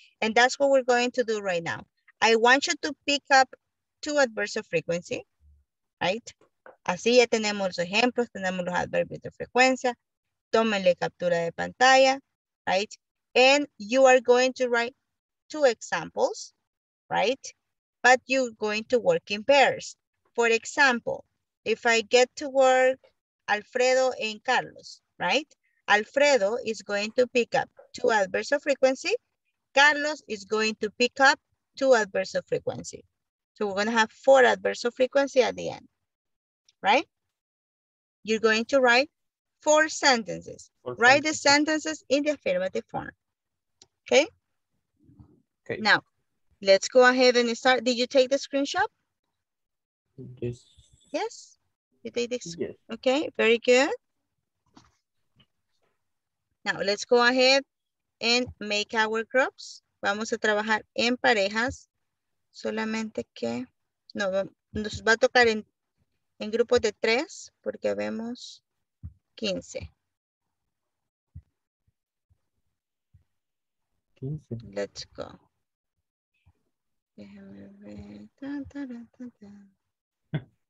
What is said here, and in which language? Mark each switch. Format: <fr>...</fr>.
<en>And that's what we're going to do right now. I want you to pick up two adverbs of frequency, right?</en> <es>Así ya tenemos los ejemplos, tenemos los adverbios de frecuencia. Tómenle captura de pantalla, right?</es> <en>And you are going to write two examples, right? But you're going to work in pairs. For example, if I get to work Alfredo and Carlos, right? Alfredo is going to pick up two adverbs of frequency. Carlos is going to pick up two adverbs of frequency. So we're going to have four adverbs of frequency at the end, right? You're going to write four sentences. Write the sentences in the affirmative form. Okay? Okay. Now, let's go ahead and start. Did you take the screenshot? Yes. Yes? You take this? Yes. Okay, very good. Now, let's go ahead and make our groups.</en> <es>Vamos a trabajar en parejas. Solamente que... No, nos va a tocar en grupos de tres porque vemos 15. 15.</es> <en>Let's go.</en> <es>Déjame ver.</es>